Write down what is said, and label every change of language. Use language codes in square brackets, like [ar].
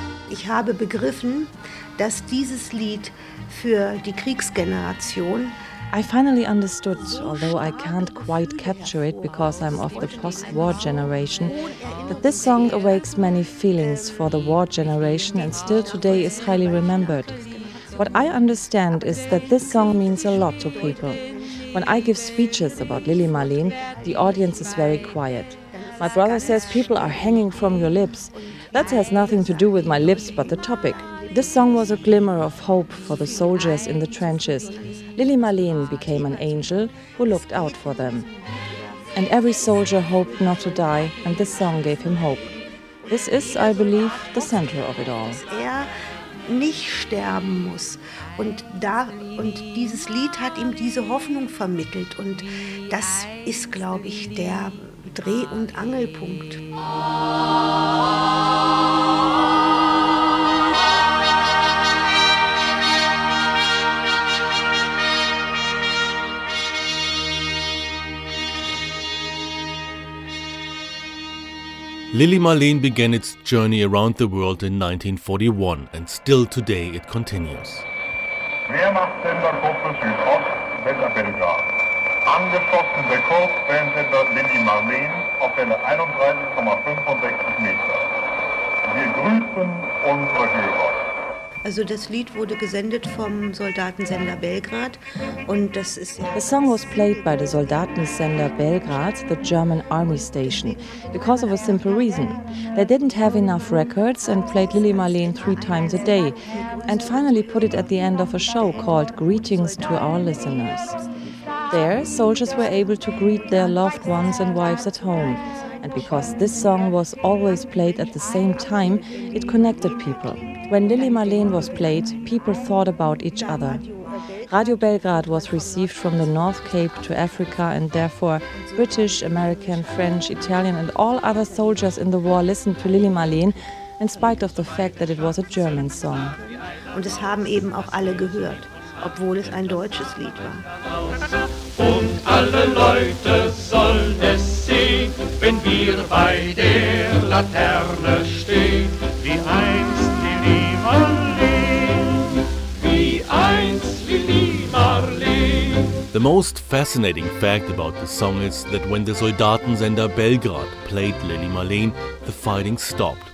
[de] Ich habe begriffen, dass dieses Lied für die Kriegsgeneration. [en] I finally understood, although I can't quite capture it because I'm of the post-war generation, that this song awakes many feelings for the war generation and still today is highly remembered. What I understand is that this song means a lot to people. When I give speeches about Lili Marleen, the audience is very quiet. My brother says people are hanging from your lips. That has nothing to do with my lips, but the topic. This song was a glimmer of hope for the soldiers in the trenches. Lili Marleen became an angel who looked out for them. And every soldier hoped not to die, and this song gave him hope. This is, I believe, the center of it all. [de] Nicht sterben muss. Und dieses Lied hat ihm diese Hoffnung vermittelt. Und das ist, glaube ich, der Dreh- und Angelpunkt. [en] Lili Marleen began its journey around the world in 1941, and still today it continues. [de] Wehrmachtsendergruppe Südost, Wetter Belgrad. Angeschossen der Kurzwellensender Lili Marleen auf Welle 31,65 Meter. Wir grüßen unsere Hörer. Also das Lied wurde gesendet vom Soldatensender Belgrad und das ist ja. [en] The song was played by the Soldatensender Belgrad, the German army station, because of a simple reason. They didn't have enough records and played Lili Marleen 3 times a day and finally put it at the end of a show called Greetings to Our Listeners. There, soldiers were able to greet their loved ones and wives at home. And because this song was always played at the same time, it connected people. When Lili Marleen was played, people thought about each other. Radio Belgrad was received from the North Cape to Africa, and therefore British, American, French, Italian and all other soldiers in the war listened to Lili Marleen, in spite of the fact that it was a German song. [de] Und es haben eben auch alle gehört, obwohl es ein deutsches Lied war. Und alle Leute sollen es sehen, wenn wir bei der Laterne stehen, wie einst Lili Marleen, wie einst Lili Marleen. [en] The most fascinating fact about the song is that when the Soldatensender Belgrad played Lili Marleen, the fighting stopped.